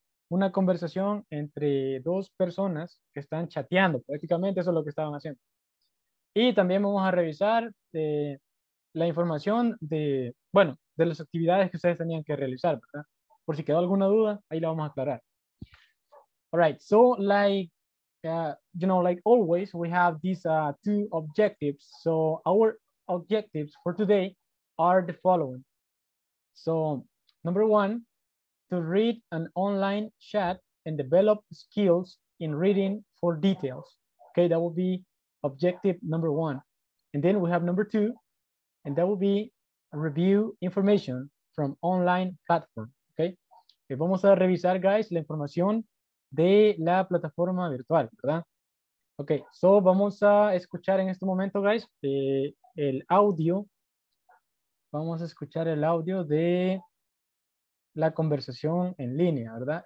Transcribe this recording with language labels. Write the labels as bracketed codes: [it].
[es] una conversación entre dos personas que están chateando. Prácticamente eso es lo que estaban haciendo. Y también vamos a revisar la información de las actividades que ustedes tenían que realizar, ¿verdad? Por si quedó alguna duda, ahí la vamos a aclarar. [en] All right, so like always, we have these two objectives. So our objectives for today are the following. So number one, to read an online chat and develop skills in reading for details. Okay, that will be objective number one. And then we have number two, and that will be review information from online platform. [es] Okay, okay, vamos a revisar, guys, la información de la plataforma virtual, ¿verdad? Ok, so vamos a escuchar en este momento, guys, el audio. Vamos a escuchar el audio de la conversación en línea, ¿verdad?